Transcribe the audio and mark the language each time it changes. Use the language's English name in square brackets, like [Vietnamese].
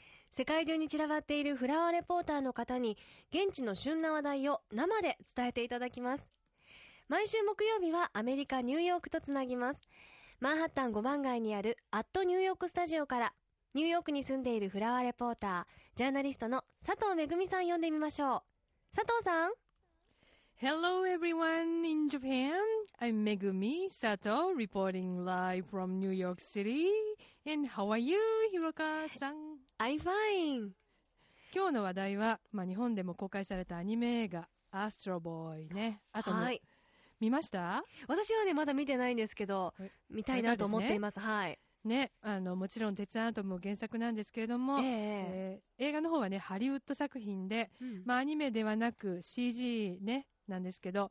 [Japanese] 世界中に散らばっているフラワーレポーターの方に現地の旬な話題を生で伝えていただきます。毎週木曜日はアメリカニューヨークとつなぎます。マンハッタン5番街にあるアットニューヨークスタジオからニューヨークに住んでいるフラワーレポータージャーナリストの佐藤めぐみさん呼んでみましょう。佐藤さん。 [English] Hello everyone in Japan. I'm Megumi Sato reporting live from New York City. And how are you, Hiroka さん? I'm fine. [Japanese] 今日の話題は、まあ、日本でも公開されたアニメ映画アストロボーイね。あとも、はい、見ました？私はねまだ見てないんですけど見たいなと思っています。はい、ね、あのもちろん鉄アトム原作なんですけれども、映画の方はねハリウッド作品で、うん、まあ、アニメではなく CG、ね、なんですけど、